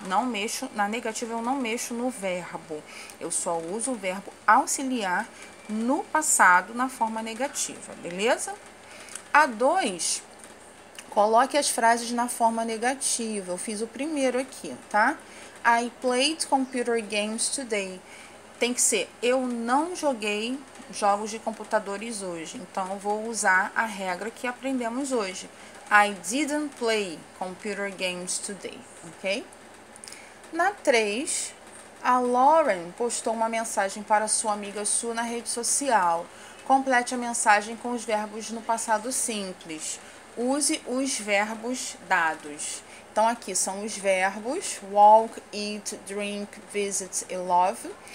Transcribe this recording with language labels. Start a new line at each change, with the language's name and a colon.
Portuguese: Não mexo, na negativa eu não mexo no verbo, eu só uso o verbo auxiliar no passado na forma negativa, beleza? A 2, coloque as frases na forma negativa, eu fiz o primeiro aqui, tá?
English: I played computer games today.
Portuguese: Tem que ser, eu não joguei jogos de computadores hoje. Então, eu vou usar a regra que aprendemos hoje.
English: I didn't play computer games today, ok?
Portuguese: Na 3, a Lauren postou uma mensagem para sua amiga Sue na rede social. Complete a mensagem com os verbos no passado simples. Use os verbos dados. Então, aqui são os verbos walk, eat, drink, visit e love.